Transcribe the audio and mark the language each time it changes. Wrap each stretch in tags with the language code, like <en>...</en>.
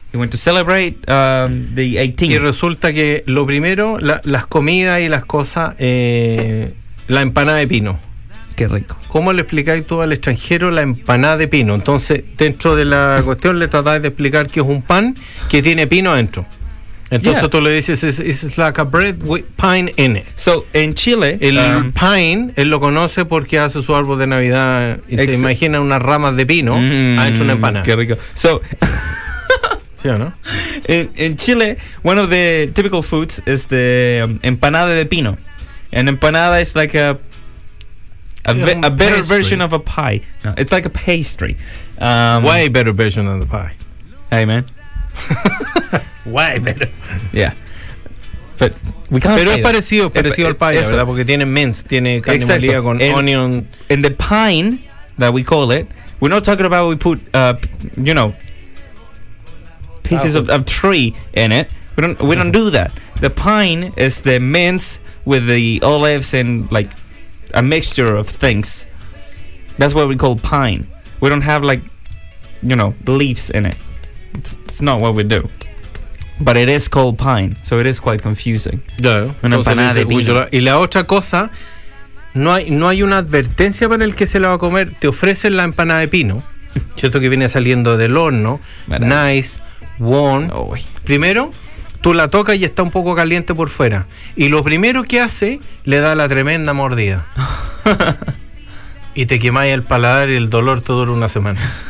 <en>He went to celebrate the 18th.</en> <es>Y resulta que lo primero, las comidas y las cosas, la empanada de pino. Qué rico. ¿Cómo le explicáis tú al extranjero la empanada de pino? Entonces, dentro de la cuestión le tratáis de explicar que es un pan que tiene pino adentro. Entonces tú le dices,</es> <en>it's like a bread with pine in it.</en> <es>So, en Chile... El pine, él lo conoce porque hace su árbol de Navidad y se imagina unas ramas de pino adentro de una empanada. Qué rico. So, ¿sí o no?</es> <en>En Chile, one of the typical foods is the empanada de pino. An empanada is like a better pastry. Version of a pie. No, it's like a pastry. Way better version of the pie. Hey, man. Way better. Yeah.</en> <es>Pero es parecido, parecido al paella, ¿verdad? Porque tiene mints, tiene carne molida con onion.</es> <en>In the pine, that we call it, we're not talking about we put, you know, pieces of tree in it. We don't do that. The pine is the mints with the olives and, like, a mixture of things. That's what we call pine. We don't have, like, you know, leaves in it. It's not what we do. But it is called pine, so it is quite confusing.</en> <es>Yeah. Una empanada de pino. Y la otra cosa, no hay una advertencia para el que se la va a comer. Te ofrecen la empanada de pino. Cierto que viene saliendo del horno.</es> <en>Nice, warm. Oh,</en> <es>primero, tú la tocas y está un poco caliente por fuera. Y lo primero que hace, le da la tremenda mordida. Y te quemáis el paladar y el dolor todo una semana.</es>